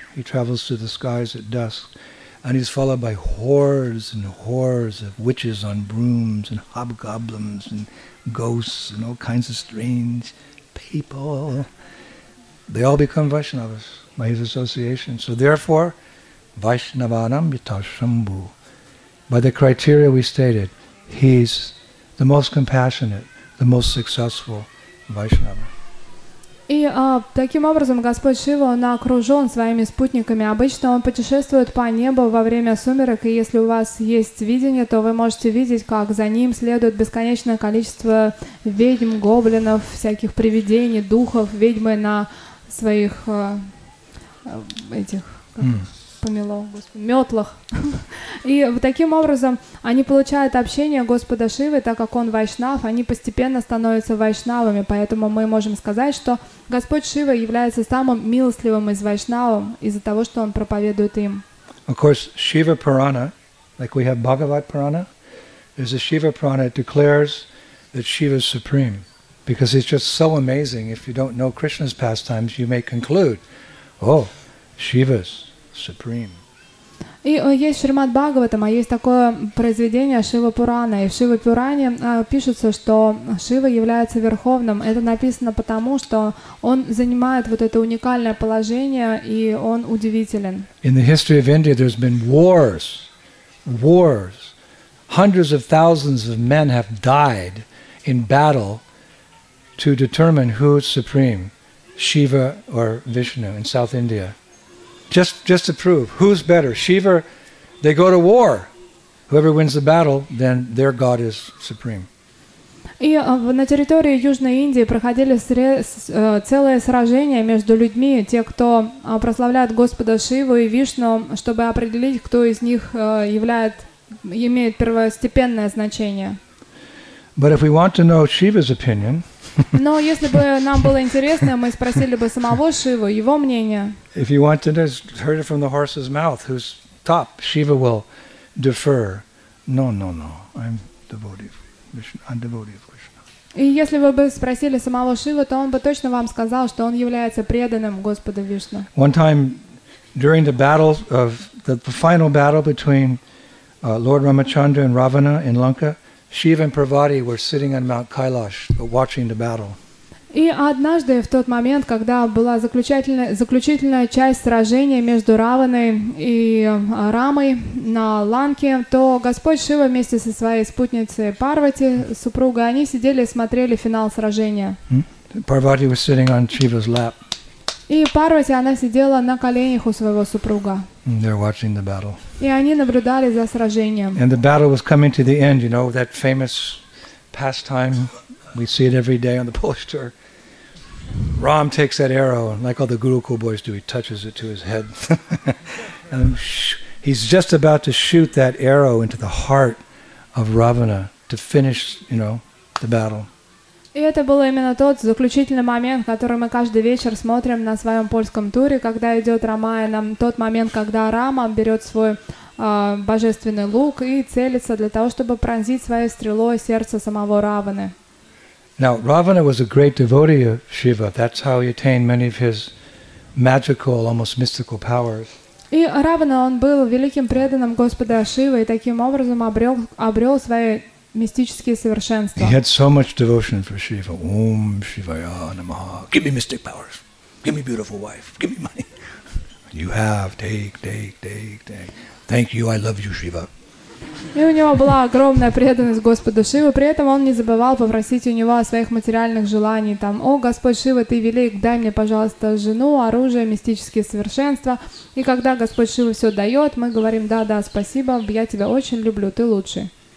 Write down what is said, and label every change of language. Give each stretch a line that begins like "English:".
English: He travels through the skies at dusk, and he's followed by hordes and hordes of witches on brooms and hobgoblins and ghosts and all kinds of strange people. They all become Vaishnavas by his association. So therefore,
Sanskrit: Vaishnavanam yatashambhu.
English: By the criteria we stated, he's the most compassionate, the most successful Vaishnava.
Russian: И таким образом Господь Шива, он окружен своими спутниками. Обычно он путешествует по небу во время сумерек, и если у вас есть видение, то вы можете видеть, как за ним следует бесконечное количество ведьм, гоблинов, всяких привидений, духов, ведьмы на своих этих... помело, Господи, метлах. И вот таким образом они получают общение Господа Шивы, так как он вайшнав, они постепенно становятся вайшнавами, поэтому мы можем сказать, что Господь Шива является самым милостливым из вайшнавов из-за того, что он проповедует им.
English: Of course, Shiva Purana, like we have Bhagavad Purana, there's a Shiva Purana that declares that Shiva is supreme, because it's just so amazing. If you don't know Krishna's pastimes, you may conclude, oh, Shiva's supreme.
Russian: И есть Шримад Бхагаватам, а есть такое произведение Шива Пурана. И в Шива Пуране пишется, что Шива является верховным. Это написано потому, что он занимает вот это уникальное положение, и он удивителен.
English: In the history of India, there's been wars. Hundreds of thousands of men have died in battle to determine who's supreme, Shiva or Vishnu in South India. Just to prove, who's better, Shiva? They go to war. Whoever wins the battle, then their god is supreme.
Russian: И на территории Южной Индии проходили целые сражения между людьми, те, кто прославляет Господа Шиву и Вишну, чтобы определить, кто из них имеет первостепенное значение.
English: But if we want to know Shiva's opinion.
Russian: Но если бы нам было интересно, мы спросили бы самого Шиву, его мнение.
English: If you want to hear it from the horse's mouth, who's top, Shiva will defer. No, I'm devotee of Krishna.
Russian: И если вы бы спросили самого Шиву, то он бы точно вам сказал, что он является преданным Господа Вишну.
English: One time during the final battle between Lord Ramachandra and Ravana in Lanka, Shiva and Parvati were sitting on Mount Kailash, watching the battle.
Russian: И однажды в тот момент, когда была заключительная часть сражения между Раваной и Рамой на Ланке, то Господь Шива вместе со своей спутницей Парвати, супругой, они сидели и смотрели финал сражения.
English: Parvati was sitting on Shiva's lap.
Russian: И Парвати, она сидела на коленях у своего супруга.
English: They're watching the battle.
Russian: И они наблюдали за сражением.
English: And the battle was coming to the end, you know, that famous pastime. We see it every day on the poster. Ram takes that arrow, and like all the Gurukul boys do, he touches it to his head. And he's just about to shoot that arrow into the heart of Ravana to finish, you know, the battle.
Russian: И это был именно тот заключительный момент, который мы каждый вечер смотрим на своем польском туре, когда идет Рамаяна, тот момент, когда Рама берет свой божественный лук и целится для того, чтобы пронзить своей стрелой сердце самого Раваны.
English: Now, Ravana was a great devotee of Shiva. That's how he attained many of his magical, almost mystical powers.
Russian: И Равана, он был великим преданным Господа Шивы и таким образом обрел свои мистические совершенства.
English: He had so much devotion for Shiva. Om Shivaya Namaha. Give me mystic powers. Give me beautiful wife. Give me money. You have. Take. Thank you. I love you, Shiva.
Russian: И у него была огромная преданность Господу Шиве, при этом он не забывал попросить у него о своих материальных желаниях, там, «О, Господь Шива, ты велик, дай мне, пожалуйста, жену, оружие, мистические совершенства». И когда Господь Шива все дает, мы говорим, «Да-да, спасибо, я тебя очень люблю, ты лучший».